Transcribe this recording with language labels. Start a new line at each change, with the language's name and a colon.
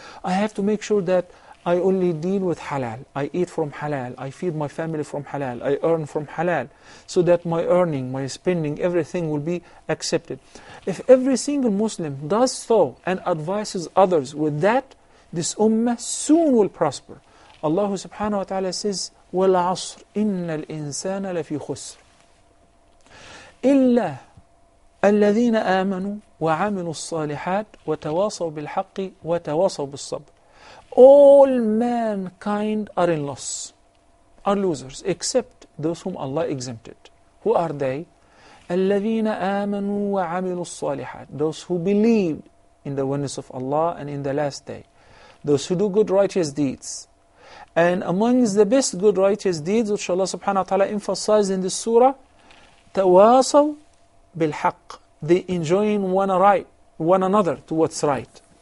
English: I have to make sure that I only deal with halal. I eat from halal. I feed my family from halal. I earn from halal. So that my earning, my spending, everything will be accepted. If every single Muslim does so and advises others with that, this ummah soon will prosper. Allah subhanahu wa ta'ala says,
Arabic: وَالْعَصْرِ إِنَّ الْإِنسَانَ لَفِي خُسْرِ إِلَّا الذين آمنوا وعملوا الصالحات وتواصوا بالحق وتواصوا بالصبر.
English: All mankind are in loss, are losers, except those whom Allah exempted. Who are they?
Arabic: الذين آمنوا وعملوا الصالحات.
English: Those who believed in the oneness of Allah and in the last day. Those who do good righteous deeds. And amongst the best good righteous deeds, which Allah subhanahu wa ta'ala emphasized in this surah,
Arabic: تواصوا بالحق.
English: They enjoin one another to what's right.